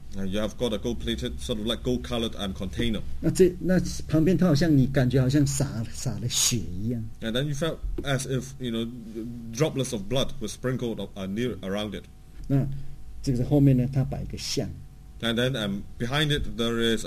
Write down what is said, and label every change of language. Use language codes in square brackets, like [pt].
[en] You have got a gold-plated, sort of like gold-colored and container. [zh] 那旁边它好像你感觉好像洒了血一样。 [en] And then you felt as if, you know, droplets of blood were sprinkled near around it. [zh] 那这个后面呢，它摆一个像。 [en] And then behind it there is